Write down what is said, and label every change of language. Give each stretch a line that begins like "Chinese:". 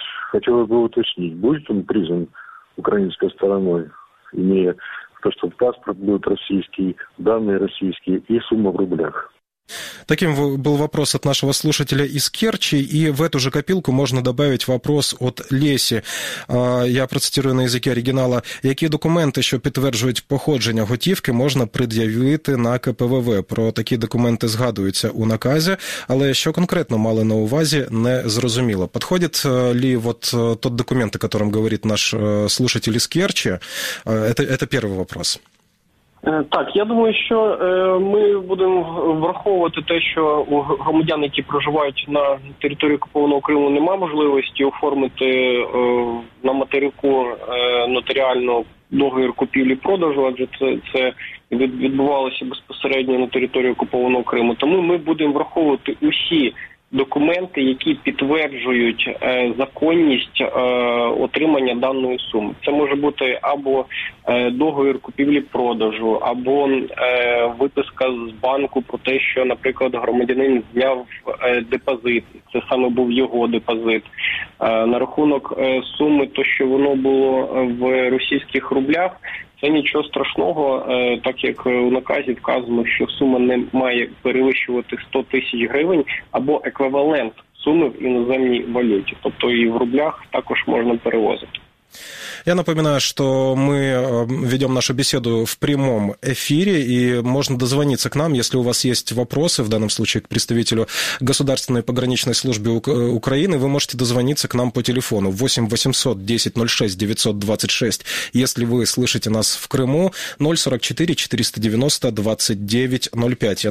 Russian: Хотелось бы уточнить, будет он признан украинской стороной, имея то, что паспорт будет российский, данные российские и сумма в рублях. Таким был вопрос от нашего слушателя из Керчи, и в эту же копилку можно добавить вопрос от Лесі. Я процитирую на языке оригинала.
Ukrainian: Які документи, що підтверджують походження готівки, можна пред'явити на КПВВ? Про такі документи згадуються у наказі, але що конкретно мали на увазі, не зрозуміло.
Russian: Підходить ли вот тот документ, о котором говорит наш слушатель из Керчи? Это первый вопрос.
Ukrainian: Так, я думаю, що ми будемо враховувати те, що у громадян, які проживають на території окупованого Криму, немає можливості оформити на материку нотаріально договір купівлі-продажу, адже це відбувалося безпосередньо на території окупованого Криму. Тому ми будемо враховувати усі документи, які підтверджують законність отримання даної суми. Це може бути або договір купівлі-продажу, або виписка з банку про те, що, наприклад, громадянин зняв депозит, це саме був його депозит, на рахунок суми, то, що воно було в російських рублях. Це нічого страшного, так як у наказі вказано, що сума не має перевищувати 100 тисяч гривень або еквівалент суми в іноземній валюті. Тобто і в рублях також можна перевозити.
Russian: Я напоминаю, что мы ведем нашу беседу в прямом эфире, и можно дозвониться к нам, если у вас есть вопросы, в данном случае к представителю Государственной пограничной службы Украины, вы можете дозвониться к нам по телефону 8 800 10 06 926, если вы слышите нас в Крыму, 044 490 2905.